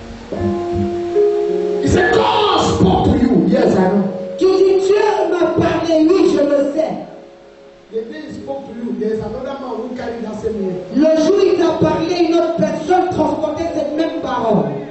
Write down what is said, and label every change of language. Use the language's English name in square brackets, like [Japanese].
[French] Il s'est [English] God spoke to you. Yes, I know. [French] Tu dis Dieu m'a parlé, oui, je le sais. [English] The day he spoke to you, there's another man who carried that same word. [French] Le jour il t'a parlé, une autre personne transportait cette même parole.